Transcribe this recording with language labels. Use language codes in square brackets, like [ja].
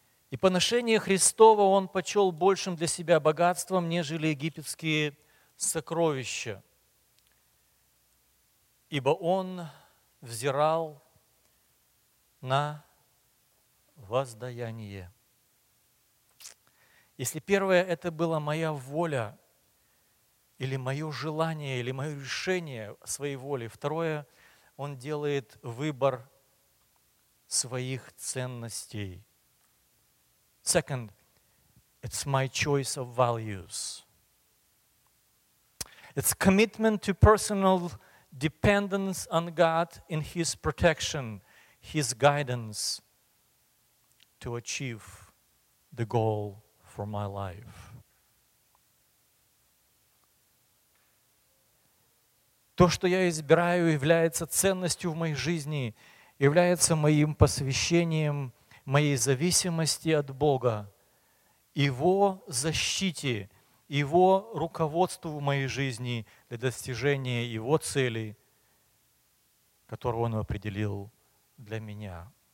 [ru] «И поношение Христова он почел большим для себя богатством, нежели египетские сокровища, ибо он взирал на воздаяние». Если первое – это была моя воля, или мое желание, или мое решение своей воли. Второе, он делает выбор своих ценностей. [en] Second, it's my choice of values. It's commitment to personal dependence on God in His protection, His guidance to achieve the goal for my life. [ru] То, что я избираю, является ценностью в моей жизни, является моим посвящением, моей зависимости от Бога, Его защите, Его руководству в моей жизни для достижения Его цели, которую Он определил для меня.